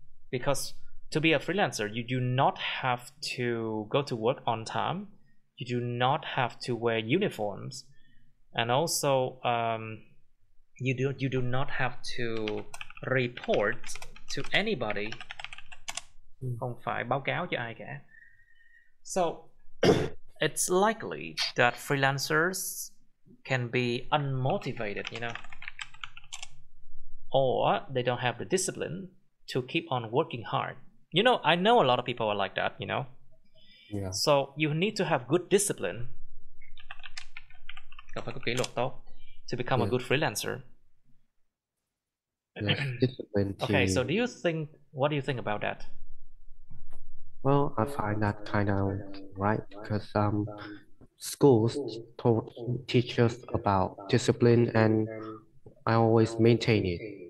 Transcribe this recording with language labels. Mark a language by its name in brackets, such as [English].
[English] Because to be a freelancer, you do not have to go to work on time. You do not have to wear uniforms. And also, you do not have to report to anybody. [Vietnamese] Không phải báo cáo cho ai cả. [English] So, it's likely that freelancers can be unmotivated, you know. Or they don't have the discipline to keep on working hard. You know, I know a lot of people are like that, you know. Yeah. So, you need to have good discipline. [Vietnamese] Cần phải có kỷ luật tốt [English] to become a good freelancer. Yes, discipline. Okay, so do you think, what do you think about that? Well, I find that kind of right because schools taught teachers about discipline and I always maintain it.